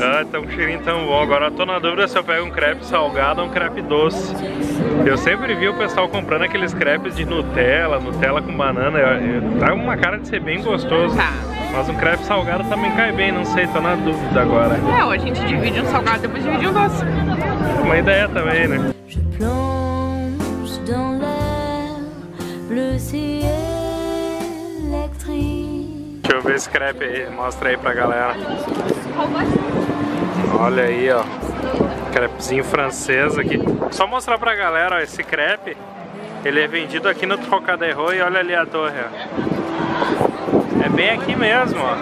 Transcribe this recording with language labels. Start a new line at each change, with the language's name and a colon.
Portuguese: Ah, tá um cheirinho tão bom. Agora eu tô na dúvida se eu pego um crepe salgado ou um crepe doce. Eu sempre vi o pessoal comprando aqueles crepes de Nutella, Nutella com banana. Tá uma cara de ser bem gostoso. Tá. Mas um crepe salgado também cai bem, não sei, tô na dúvida agora. É, ou a gente divide um salgado e depois divide um doce. Uma ideia também, né?
French: Je plonge dans l'air, bleu ciel électrique.
Portuguese: Deixa eu ver esse crepe aí, mostra aí pra galera. Olha aí, ó. Crepezinho francês aqui. Só mostrar pra galera, ó, esse crepe. Ele é vendido aqui no Trocadéro e olha ali a torre, ó. É bem aqui mesmo, ó.